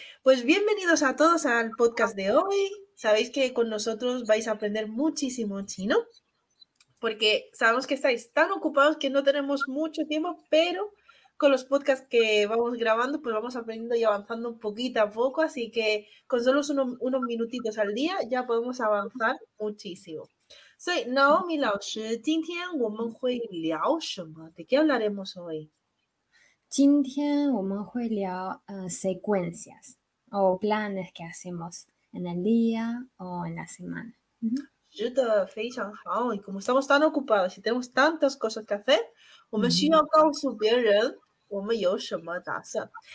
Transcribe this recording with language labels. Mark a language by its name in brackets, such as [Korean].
[Spanish] Pues bienvenidos a todos al podcast de hoy. Sabéis que con nosotros vais a aprender muchísimo chino, porque sabemos que estáis tan ocupados que no tenemos mucho tiempo, pero con los podcasts que vamos grabando, pues vamos aprendiendo y avanzando poquito a poco, así que con solo unos minutitos al día ya podemos avanzar muchísimo. [Chinese] Soy Naomi 老师，今天我们会聊什么？ [Spanish] ¿De qué hablaremos hoy? [Chinese] 今天我们会聊 [Spanish] secuencias o planes que hacemos. En el día o en la semana. Sí, muy bien. Y como estamos tan ocupados y tenemos tantas cosas que hacer, necesitamos decir a los demás qué planes tenemos.